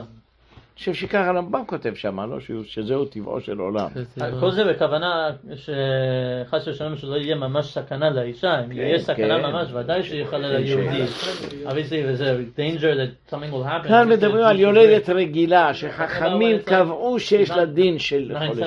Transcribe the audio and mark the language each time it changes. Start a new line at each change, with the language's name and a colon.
Hebrew: אני חושב שככה רמב"ם כותב שם, לא? שזהו טבעו של עולם. כל זה בכוונה שחס ושלום שלא יהיה ממש סכנה לאישה. אם יהיה סכנה ממש, ודאי שיכול להיות יהודי.
English: Obviously, there's a danger that something will happen.
Hebrew: כאן מדברים על יולדת רגילה, שחכמים קבעו שיש לה דין של חולה